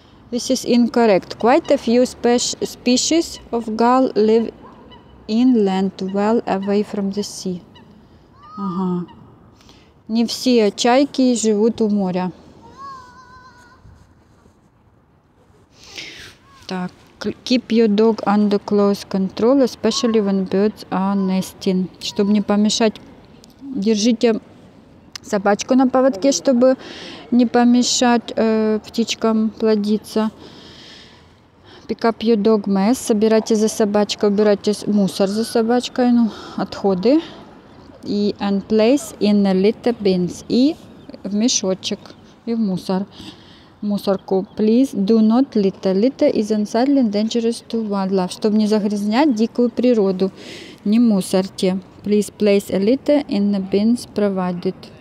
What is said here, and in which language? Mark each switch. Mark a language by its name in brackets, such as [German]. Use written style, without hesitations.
[English] This is incorrect. Quite a few species of gull live inland, well away from the sea. Ага. [Russian] Не все чайки живут у моря. Так. [English] Keep your dog under close control, especially when birds are nesting. [Russian] Чтобы не помешать, держите собачку на поводке, чтобы не помешать птичкам плодиться. [English] Pick up your dog mess. [Russian] Собирайте за собачкой, убирайте мусор за собачкой, ну, отходы. [English] And place in a litter bins. [Russian] И в мешочек, и в мусор. Мусорку. [English] Please do not litter. Litter is unsightly and dangerous to wildlife. [Russian] Чтобы не загрязнять дикую природу, не мусорьте. [English] Please place a litter in the bins provided.